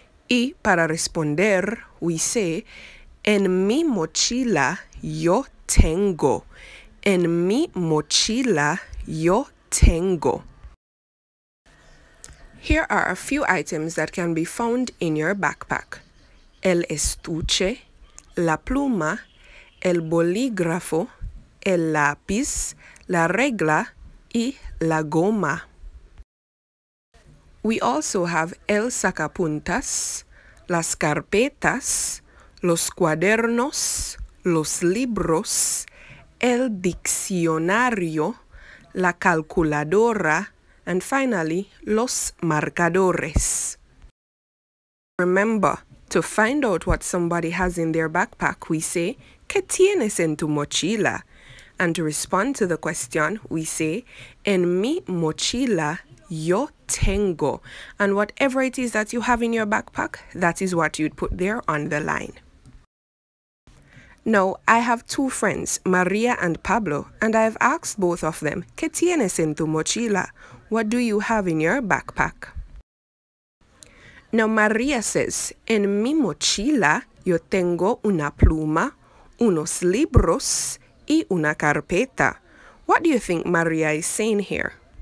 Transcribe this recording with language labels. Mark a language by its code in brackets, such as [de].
[es] Y para responder, [en] we say, [es] en mi mochila yo tengo. En mi mochila yo tengo. [en] Here are a few items that can be found in your backpack. [es] El estuche. La pluma, el bolígrafo, el lápiz, la regla y la goma. [en] We also have [es] el sacapuntas, las carpetas, los cuadernos, los libros, el diccionario, la calculadora, [en] and finally, [es] los marcadores. [en] Remember, to find out what somebody has in their backpack, we say, [es] ¿Qué tienes en tu mochila? [en] And to respond to the question, we say, [es] En mi mochila yo tengo. [en] And whatever it is that you have in your backpack, that is what you'd put there on the line. Now, I have two friends, Maria and Pablo, and I've asked both of them, [es] ¿Qué tienes en tu mochila? [en] What do you have in your backpack? Now, Maria says, [es] en mi mochila yo tengo una pluma, unos libros y una carpeta. [en] What do you think Maria is saying here?